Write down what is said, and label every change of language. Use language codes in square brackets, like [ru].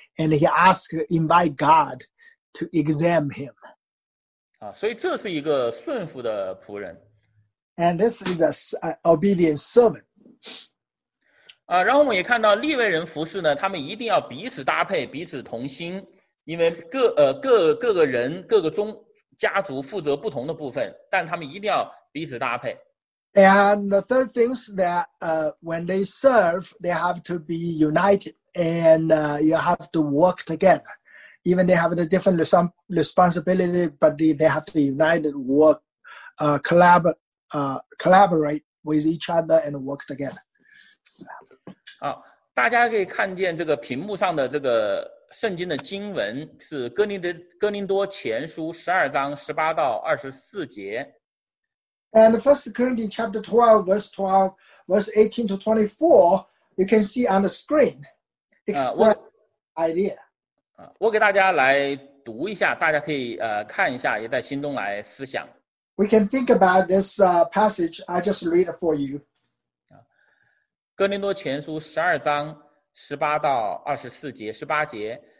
[en] And he asked, invite God to examine him. [zh] 所以这是一个顺服的仆人。 [en] And this is an obedient servant. [zh] 然后我们也看到利未人服侍呢，他们一定要彼此搭配，彼此同心，因为各个人各个宗家族负责不同的部分，但他们一定要彼此搭配。 [en] And the third thing is that when they serve, they have to be united and you have to work together. Even they have the different responsibility, but they have to unite and work, collaborate with each other and work together. [zh] 大家可以看见这个屏幕上的这个圣经的经文是哥林多前书12:18-24. [en] And First Corinthians chapter 12, verse 12, verse 18 to 24, you can see on the screen. Explain idea. [zh] 我给大家来读一下，大家可以看一下，也在心中来思想。 [en] We can think about this passage. I just read it for you. [zh] 哥林多前书12:18-24, 18节。